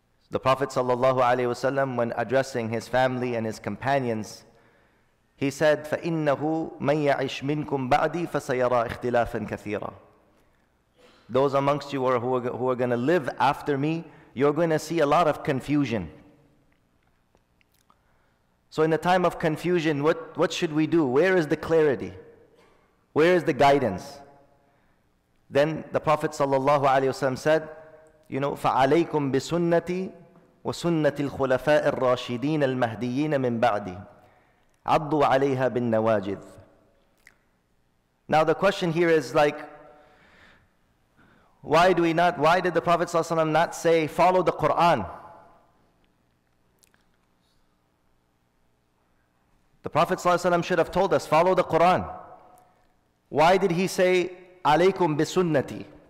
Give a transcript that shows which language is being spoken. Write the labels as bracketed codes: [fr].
[en] The Prophet sallallahu alaihi wasallam, when addressing his family and his companions, he said, [ar] فَإِنَّهُ مَنْ يَعِشْ مِنْكُمْ بَعْدِي فَسَيَرَى إِخْتِلَافًا كَثِيرًا. [en] Those amongst you who are going to live after me, you're going to see a lot of confusion. So in a time of confusion, what should we do? Where is the clarity? Where is the guidance? Then the Prophet sallallahu alaihi wasallam said, you know, [ar] فَعَلَيْكُمْ بِسُنَّتِي وَسُنَّةِ الْخُلَفَاءِ الرَّاشِدِينَ الْمَهْدِيِّينَ مِنْ بَعْدِي عَضُّوا عَلَيْهَا بِالنَّوَاجِذِ. [en] Now the question here is like, why did the Prophet ﷺ not say follow the Quran? The Prophet ﷺ should have told us follow the Quran. Why did he say [ar] alaykum bi sunnati?